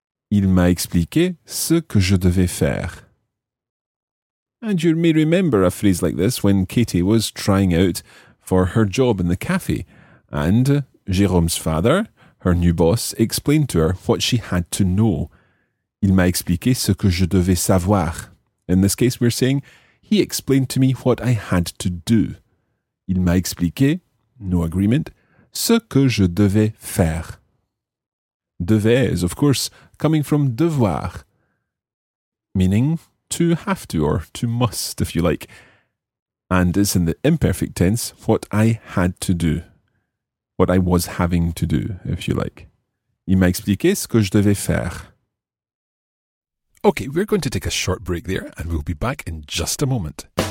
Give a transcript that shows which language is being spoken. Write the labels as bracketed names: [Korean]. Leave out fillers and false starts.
[French] Il m'a expliqué ce que je devais faire. [English] And you may remember a phrase like this when Katie was trying out for her job in the cafe, and Jérôme's father, her new boss, explained to her what she had to know. [French] Il m'a expliqué ce que je devais savoir. [English] In this case, we're saying, he explained to me what I had to do. [French] Il m'a expliqué, [English] no agreement, [French] ce que je devais faire. [English] Devais is, of course, coming from devoir, meaning to have to or to must, if you like. And it's in the imperfect tense, what I had to do. What I was having to do, if you like. [French] Il m'a expliqué ce que je devais faire. [English] Okay, we're going to take a short break there, and we'll be back in just a moment.